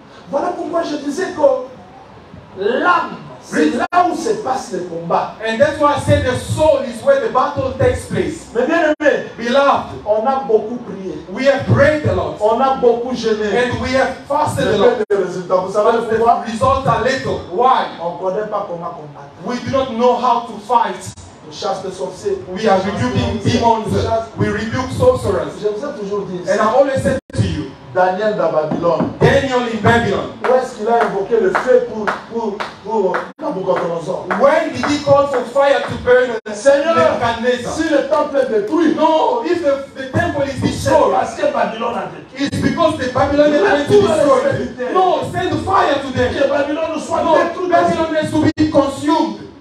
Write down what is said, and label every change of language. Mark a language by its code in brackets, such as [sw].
[fr] Voilà pourquoi je disais que l'âme, c'est là où se passe le combat. [en] And that's why I said the soul is where the battle takes place. [fr] Mais bien aimé, [en] beloved, [fr] on a beaucoup prié. [en] We have prayed a lot. [fr] On a beaucoup jeûné. [en] And we have fasted a lot. [fr] Les résultats, vous savez pourquoi? [en] Results are little. Why? [fr] On ne connaît pas comment combattre. [en] We do not know how to fight. [fr] Le chasse les sorciers. [en] We are rebuking demons. We rebuke sorcerers. [fr] Je vous ai toujours dit. [en] And I always said to you, [fr] Daniel dans Babylon. [en] Daniel in Babylon. [fr] Où est-ce qu'il a invoqué le feu pour Nabucodonosor? [en] When did he call for fire to burn the [fr] Seigneur, si le temple est détruit. [en] No, if the temple is destroyed. [fr] Parce que Babylon a [en] détruit. It's because the Babylon is destroyed. No, send fire to them. [fr] Que Babylon ne soit détruit. [en] Babylon needs to be consumed.